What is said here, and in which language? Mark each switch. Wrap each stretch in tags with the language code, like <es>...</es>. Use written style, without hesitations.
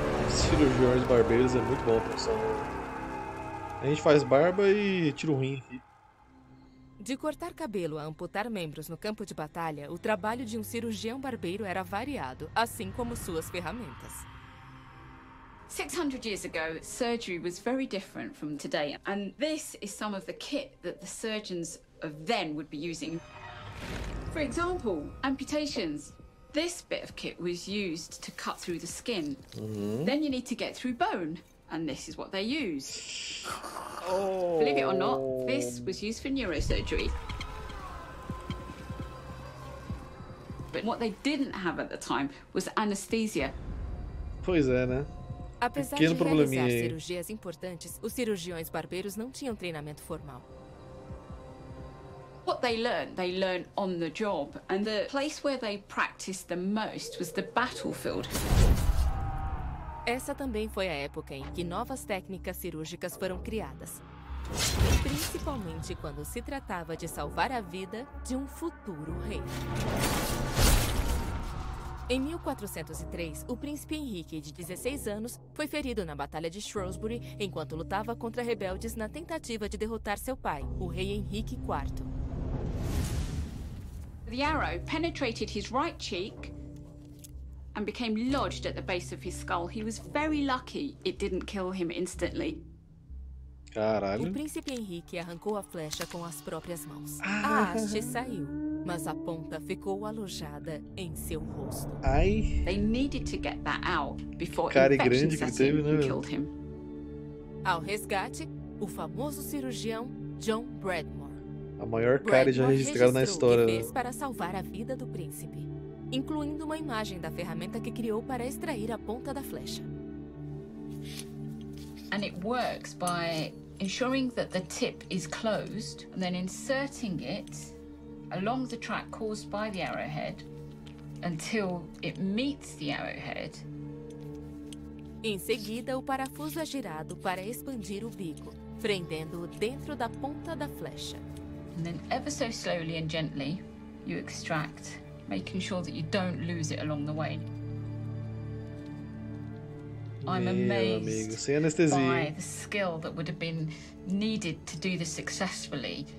<pt>Cirurgiões barbeiros é muito bom, pessoal. A gente faz barba e tira o rim aqui. De cortar cabelo a amputar membros no campo de batalha, o trabalho de um cirurgião barbeiro era variado, assim como suas ferramentas.</pt> <en>600 years ago, surgery was very different from today, and this is some of the kit that the surgeons of then would be using. For example, amputations. This bit of kit was used to cut through the skin. Mm-hmm. Then you need to get through bone, and this is what they use. Oh. Believe it or not, this was used for neurosurgery. But what they didn't have at the time was anesthesia.</en> <pt>Pois é, né? Apesar de realizar cirurgias importantes, os cirurgiões barbeiros não tinham treinamento formal.</pt> <en>What they learn on the job, and the place where they practiced the most was the battlefield.</en> <pt>Essa também foi a época em que novas técnicas cirúrgicas foram criadas, principalmente quando se tratava de salvar a vida de um futuro rei. Em 1403, o príncipe Henrique, de 16 anos, foi ferido na Batalha de Shrewsbury enquanto lutava contra rebeldes na tentativa de derrotar seu pai, o rei Henrique IV.</pt> <en>The arrow penetrated his right cheek and became lodged at the base of his skull. He was very lucky it didn't kill him instantly.</en> <pt>Caralho. O príncipe Henrique arrancou a flecha com as próprias mãos. A haste saiu, mas a ponta ficou alojada em seu rosto. Ai.</pt> <en>They needed to get that out before</en> <pt>cara grande que teve, né?</pt> <en>Killed him.</en> <pt>Ao resgate, o famoso cirurgião John Bradmore. A maior cara já registrada na história. Bradmore fez para salvar a vida do príncipe, incluindo uma imagem da ferramenta que criou para extrair a ponta da flecha.</pt> <en>And it works by ensuring that the tip is closed and then inserting it along the track caused by the arrowhead until it meets the arrowhead.</en> <pt>Em seguida, o parafuso é girado para expandir o bico, prendendo-o dentro da ponta da flecha.</pt> <en>And then ever so slowly and gently you extract, making sure that you don't lose it along the way.</en> <pt>Meu amigo, sem anestesia.</pt> <en>By the skill that would have been needed to do this successfully.</en>